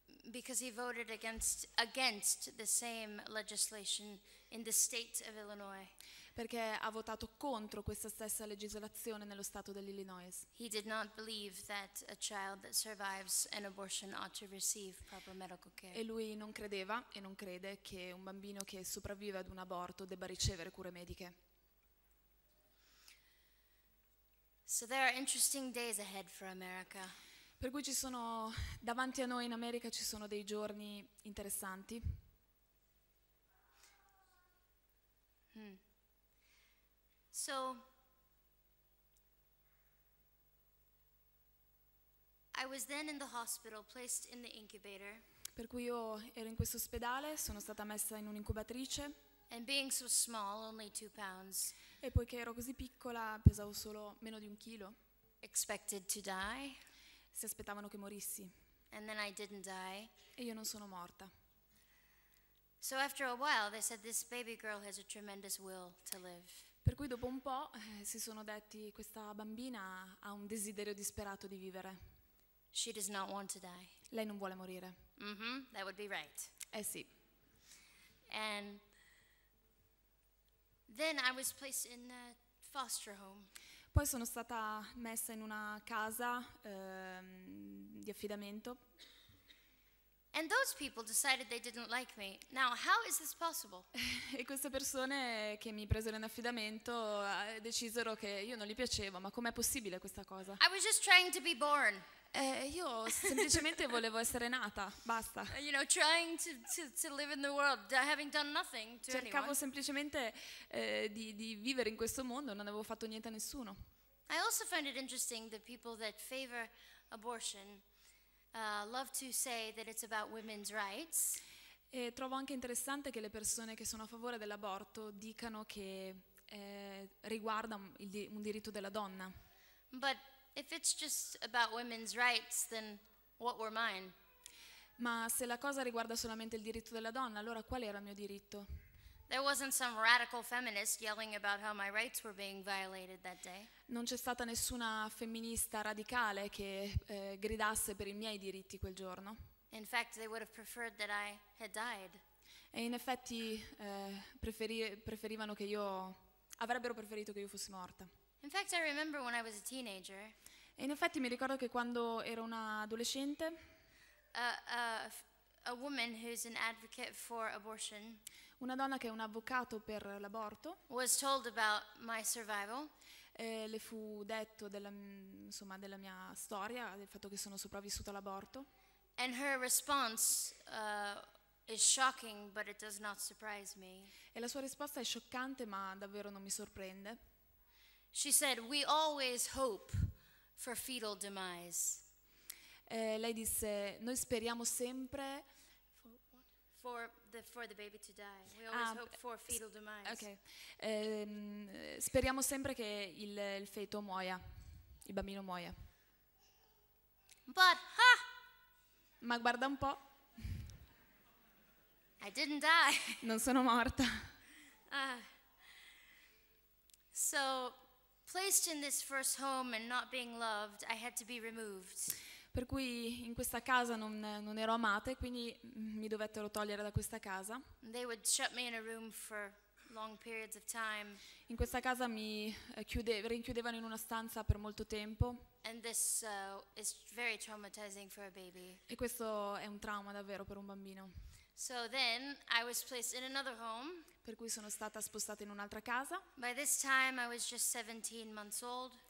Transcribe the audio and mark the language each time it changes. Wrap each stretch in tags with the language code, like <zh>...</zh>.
<en>Because he voted against the same legislation in the state of Illinois.</en> <it>Perché ha votato contro questa stessa legislazione nello stato dell'Illinois.</it> <en>He did not believe that a child that survives an abortion ought to receive proper medical care.</en> <it>E lui non credeva e non crede che un bambino che sopravvive ad un aborto debba ricevere cure mediche.</it> <en>So there are interesting days ahead for America.</en> <it>Per cui ci sono davanti a noi in America ci sono dei giorni interessanti.</it> <en>So I was then in the hospital, placed in the incubator.</en> <it>Per cui io ero in questo ospedale, sono stata messa in un'incubatrice.</it> <en>And being so small, only 2 pounds.</en> <it>E poiché ero così piccola, pesavo solo meno di un chilo.</it> <en>Expected to die.</en> <it>Si aspettavano che morissi.</it> <en>And then I didn't die.</en> <it>E io non sono morta.</it> <en>So after a while, they said this baby girl has a tremendous will to live.</en> <it>Per cui dopo un po' si sono detti questa bambina ha un desiderio disperato di vivere.</it> <en>She does not want to die.</en> <it>Lei non vuole morire.</it> <en>Mm-hmm, that would be right.</en> <it>Eh sì.</it> <en>And then I was placed in a foster home.</en> <it>Poi sono stata messa in una casa di affidamento.</it> <en>And those people decided they didn't like me. Now, how is this possible?</en> <it>E queste persone che mi presero in affidamento decisero che io non gli piacevo, ma com'è possibile questa cosa?</it> <en>I was just trying to be born.</en> <it>Io semplicemente volevo essere nata, basta.</it> <en>You know, trying to live in the world, having done nothing to anyone.</en> <it>Cercavo semplicemente di vivere in questo mondo, non avevo fatto niente a nessuno.</it> <en>I also find it interesting that people that favor abortion love to say that it's about women's rights.</en> <it>E trovo anche interessante che le persone che sono a favore dell'aborto dicano che riguarda un diritto della donna.</it> <en>But if it's just about women's rights, then what were mine?</en> <it>Ma se la cosa riguarda solamente il diritto della donna, allora qual era il mio diritto?</it> <en>There wasn't some radical feminist yelling about how my rights were being violated that day.</en> <it>Non c'è stata nessuna femminista radicale che gridasse per i miei diritti quel giorno.</it> <en>In fact, they would have preferred that I had died.</en> <it>E in effetti preferivano che io avrebbero preferito che io fossi morta.</it> <en>In fact, I remember when I was a teenager.</en> <it>E in effetti mi ricordo che quando ero una adolescente,</it> <en>a woman who's an advocate for abortion,</en> <it>una donna che è un avvocato per l'aborto,</it> <en>was told about my survival.</en> <it>Le fu detto della, insomma, della mia storia, del fatto che sono sopravvissuta all'aborto.</it> <en>And her response is shocking, but it does not surprise me.</en> <it>E la sua risposta è scioccante, ma davvero non mi sorprende.</it> <en>She said, "We always hope for fetal demise."</en> <it>Lei disse, noi speriamo sempre</it> <en>for the baby to die. We always hope for fetal demise. Okay.</en> <it>Speriamo sempre che il feto muoia, il bambino muoia.</it> <en>But ha!</en> <it>Ma guarda un po'.</it> <en>I didn't die.</en> <it>Non sono morta.</it> <en>So placed in this first home and not being loved, I had to be removed.</en> <it>Per cui in questa casa non ero amata e quindi mi dovettero togliere da questa casa.</it> <en>They would shut me in a room for long periods of time.</en> <it>In questa casa mi rinchiudevano in una stanza per molto tempo.</it> <en>And this is very traumatizing for a baby.</en> <it>E questo è un trauma davvero per un bambino.</it> <en>So then I was placed in another home.</en> <it>Per cui sono stata spostata in un'altra casa.</it> <en>By this time I was just 17 months old.</en>